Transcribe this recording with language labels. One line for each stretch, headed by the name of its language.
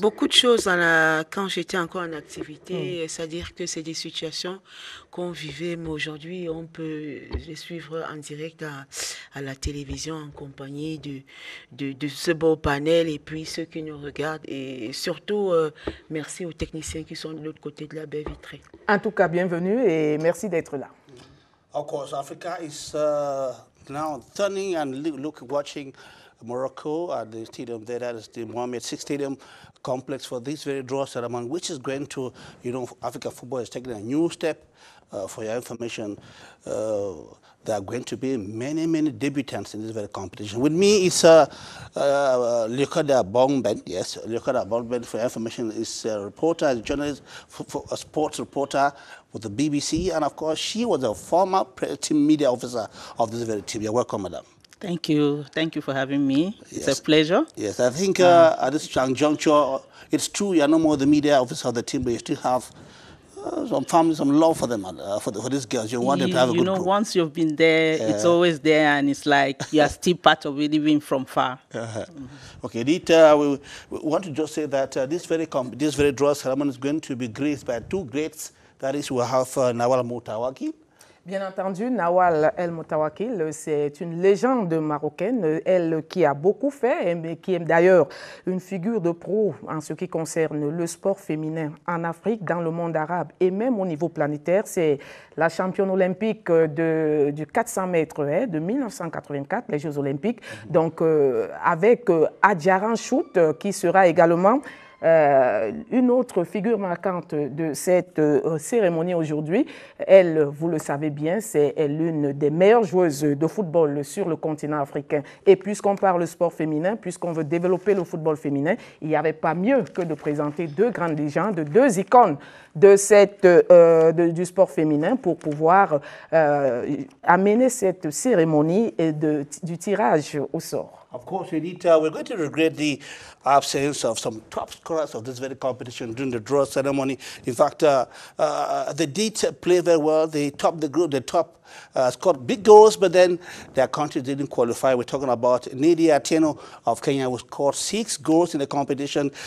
French: Beaucoup de choses quand j'étais encore en activité, c'est-à-dire que c'est des situations qu'on vivait, mais aujourd'hui on peut les suivre en direct à la télévision en compagnie de ce beau panel et puis ceux qui nous regardent. Et surtout, merci aux techniciens qui sont de l'autre côté de la baie vitrée. En tout cas, bienvenue et merci d'être là.
English: Of course, Africa is... Now, turning and watching Morocco at the stadium there, that is the Mohamed VI Stadium complex for this very draw ceremony, which is going to, you know, Africa football is taking a new step. For your information, there are going to be many, many debutants in this very competition. With me is Lyokada Bongben. Yes, Lyokada Bongben, for your information, is a reporter, a journalist, a sports reporter with the BBC. And of course, she was a former team media officer of this very team. You're welcome, madam. Thank you. Thank you for having me. Yes. It's a pleasure. Yes, I think at this juncture, it's true, you're no more the media officer of the team, but you still have some family, some love for them, for these girls. You want them to have a good group. You know, once you've been there, it's always there, and it's like you're still part of it, even from far. Okay, Edith, we want to just say that this very draw ceremony is going to be graced by two greats. That is, we'll have Nawal Moutawakil.
French: Bien entendu, Nawal El Moutawakil, c'est une légende marocaine, elle qui a beaucoup fait et qui est d'ailleurs une figure de proue en ce qui concerne le sport féminin en Afrique, dans le monde arabe et même au niveau planétaire. C'est la championne olympique du 400 mètres de 1984, les Jeux olympiques, donc avec Adjaran Chout qui sera également... une autre figure marquante de cette cérémonie aujourd'hui, elle, vous le savez bien, c'est l'une des meilleures joueuses de football sur le continent africain. Et puisqu'on parle sport féminin, puisqu'on veut développer le football féminin, il n'y avait pas mieux que de présenter deux grandes légendes, deux icônes de du sport féminin pour pouvoir amener cette cérémonie et du tirage au sort.
English: Of course, Edith, we're going to regret the absence of some top scorers of this very competition during the draw ceremony. In fact, they did play very well. They topped the group, scored big goals, but then their country didn't qualify. We're talking about Nidia Atieno of Kenya, who scored 6 goals in the competition.